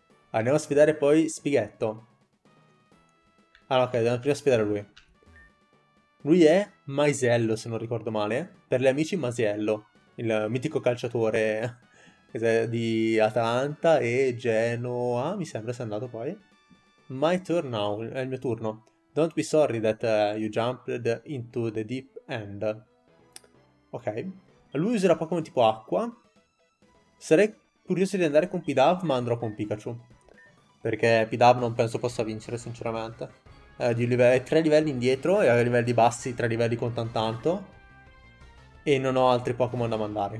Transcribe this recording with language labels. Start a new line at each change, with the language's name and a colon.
Italian: Andiamo a sfidare poi Spighetto. Ah, ok, dobbiamo prima sfidare lui. Lui è Maisello, se non ricordo male. Per gli amici, Masiello, il mitico calciatore di Atalanta e Genoa, mi sembra sia andato poi.
English: My turn now,
Italian: è il mio turno.
English: Don't be sorry that you jumped into the deep end.
Italian: Ok, lui userà Pokémon tipo acqua. Sarei curioso di andare con Pidav, ma andrò con Pikachu. Perché Pidav non penso possa vincere, sinceramente. Di livelli, 3 livelli indietro e a livelli bassi 3 livelli con Tantanto. E non ho altri Pokémon da mandare.